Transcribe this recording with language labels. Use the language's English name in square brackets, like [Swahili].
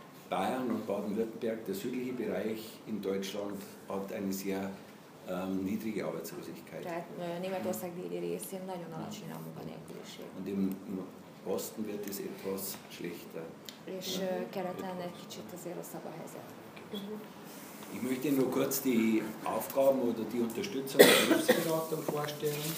[German] Bayern und Baden-Württemberg, der südliche Bereich in Deutschland, hat eine sehr niedrige Arbeitslosigkeit. [Hungarian] Németország déli részén nagyon alacsony a munkanélküliség. [German] Und im Osten wird es etwas schlechter. [Hungarian] És keleten egy kicsit azért rosszabb a helyzet. [German] Ich möchte nur kurz die Aufgaben oder die Unterstützung der Berufsberatung vorstellen.